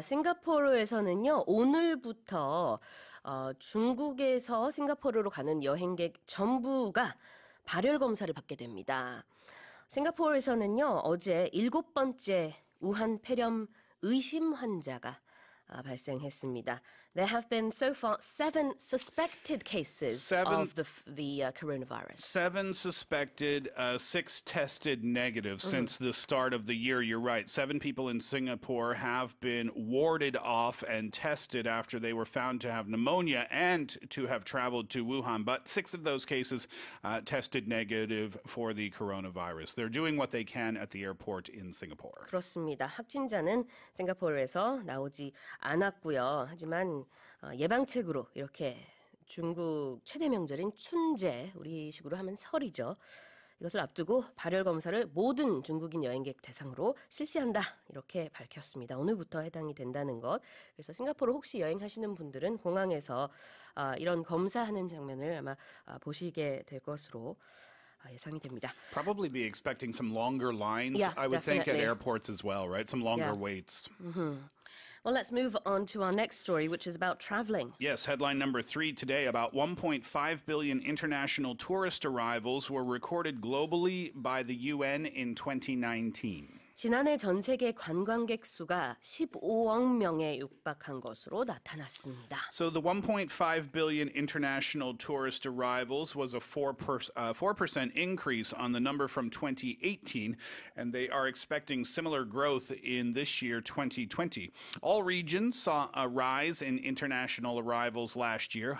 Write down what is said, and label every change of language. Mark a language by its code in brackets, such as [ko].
[ko] 싱가포르에서는요, 오늘부터 중국에서 싱가포르로 가는 여행객 전부가 발열 검사를 받게 됩니다. 싱가포르에서는요, 어제 일곱 번째 우한 폐렴 의심 환자가 발생했습니다. [en] There have been so far seven suspected cases of the coronavirus. Seven suspected, six tested negative mm-hmm. since the start of the year. You're right. Seven people in Singapore have been warded off and tested after they were found to have pneumonia and to have traveled to Wuhan. But six of those cases tested negative for the coronavirus. They're doing what they can at the airport in Singapore. [ko] 그렇습니다. 확진자는 싱가포르에서 나오지 않았고요. 하지만 예방책으로 이렇게 중국 최대 명절인 춘제, 우리식으로 하면 설이죠. 이것을 앞두고 발열 검사를 모든 중국인 여행객 대상으로 실시한다 이렇게 밝혔습니다. 오늘부터 해당이 된다는 것. 그래서 싱가포르 혹시 여행하시는 분들은 공항에서 이런 검사하는 장면을 아마 보시게 될 것으로 예상이 됩니다. [en] Probably be expecting some longer lines, yeah, I would definitely. Think, at airports as well, right? Some longer yeah. waits. Mm-hmm. Well, let's move on to our next story, which is about traveling. Yes, headline number three today, about 1.5 billion international tourist arrivals were recorded globally by the UN in 2019. [ko] 지난해 전 세계 관광객 수가 15억 명에 육박한 것으로 나타났습니다. [en] So the 1.5 billion international tourist arrivals was a 4% increase on the number from 2018, and they are expecting similar growth in this year, 2020. All regions saw a rise in international arrivals last year.